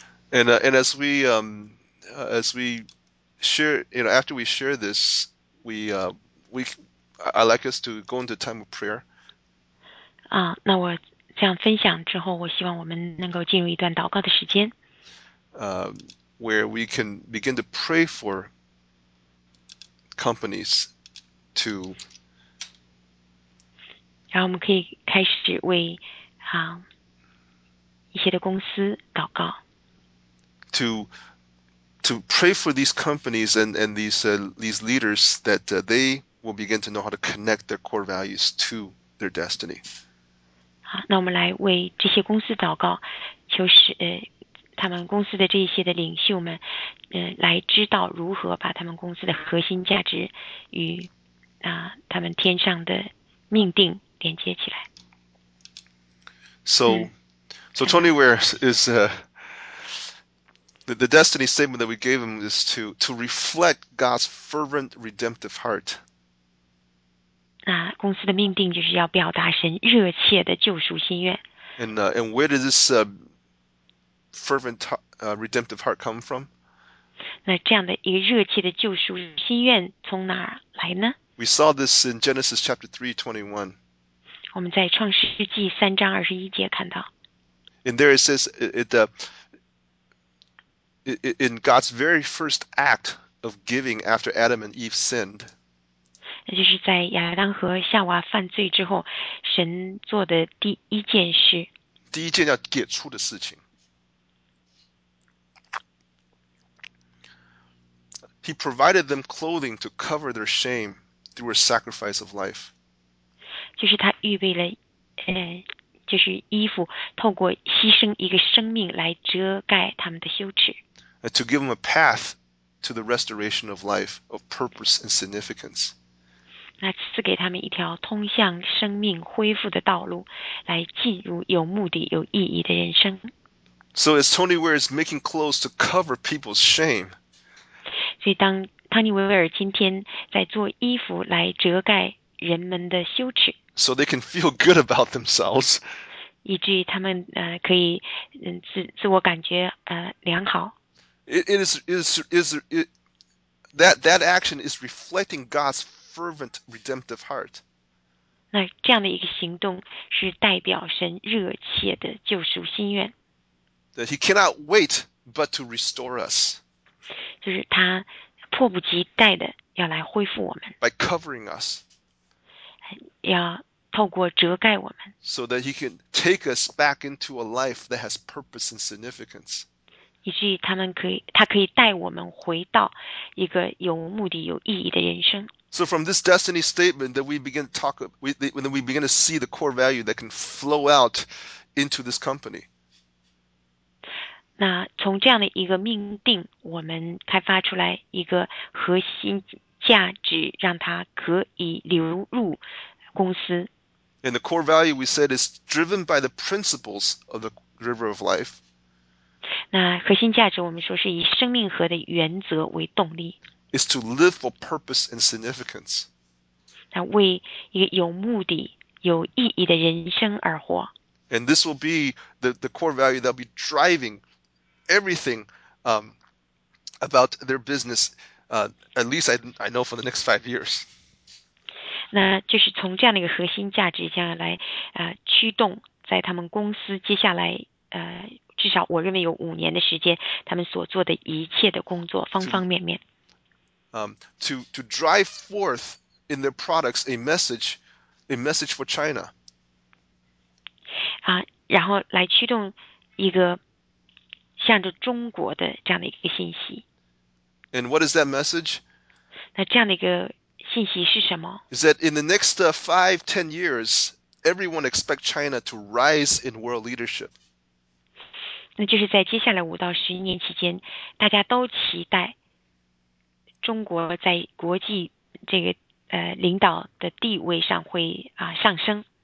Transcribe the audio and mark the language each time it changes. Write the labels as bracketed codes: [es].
[en] And as we share, after we share this, I'd like us to go into time of prayer. [zh] 那我这样分享之后，我希望我们能够进入一段祷告的时间。 [en] Where we can begin to pray for companies to. [zh] 然后我们可以开始为一些的公司祷告。 [en] To pray for these companies and these leaders that they. Will begin to know how to connect their core values to their destiny. [zh] 好，那我们来为这些公司祷告，求他们公司的这些的领袖们，来知道如何把他们公司的核心价值与他们天上的命定连接起来。 [en] So Tony Ware is the destiny statement that we gave him is to reflect God's fervent redemptive heart. [zh] 那公司的命定就是要表达神热切的救赎心愿。 [en] And where does this fervent redemptive heart come from? [zh] 那这样的一个热切的救赎心愿从哪来呢？ [en] We saw this in Genesis chapter 3:21. [zh] 我们在创世纪3:21看到。 [en] And there it says in God's very first act of giving after Adam and Eve sinned. [zh] 那就是在亚当和夏娃犯罪之后，神做的第一件事。第一件要给出的事情。 [en] He provided them clothing to cover their shame through a sacrifice of life. [zh] 就是他预备了，就是衣服透过牺牲一个生命来遮盖他们的羞耻。 [en] To give them a path to the restoration of life, of purpose and significance. [zh] 那赐给他们一条通向生命恢复的道路，来进入有目的、有意义的人生。 [en] So as Tony Weir is making clothes to cover people's shame, [zh] 所以当汤尼·维维尔今天在做衣服来遮盖人们的羞耻， [en] so they can feel good about themselves. [zh] 以至于他们可以自我感觉良好。 [en] That action is reflecting God's fervent redemptive heart. [zh] 那这样的一个行动是代表神热切的救赎心愿。 [en] That he cannot wait but to restore us. [zh] 就是他迫不及待的要来恢复我们。 [en] By covering us. [zh] 要透过遮盖我们。 [en] So that he can take us back into a life that has purpose and significance. [zh] 以至于他可以带我们回到一个有目的、有意义的人生。 [en] So from this destiny statement that we begin to talk, we begin to see the core value that can flow out into this company. [zh] 那从这样的一个命定，我们开发出来一个核心价值，让它可以流入公司。 [en] And the core value we said is driven by the principles of the river of life. [zh] 那核心价值我们说是以生命河的原则为动力。 [en] Is to live for purpose and significance. [zh] 那为一个有目的、有意义的人生而活。 [en] And this will be the core value that will be driving everything about their business, at least I know for the next 5 years. [zh] 那就是从这样的一个核心价值将来驱动在他们公司接下来至少我认为有5年的时间他们所做的一切的工作方方面面。 [en] To drive forth in their products a message for China. [zh] 然后来驱动一个向着中国的这样的一个信息。 [en] And what is that message? [zh] 那这样的一个信息是什么? [en] Is that in the next 5-10 years, everyone expects China to rise in world leadership. [zh] 那就是在接下来5到10年期间，大家都期待中国在国际这个领导的地位上会上升。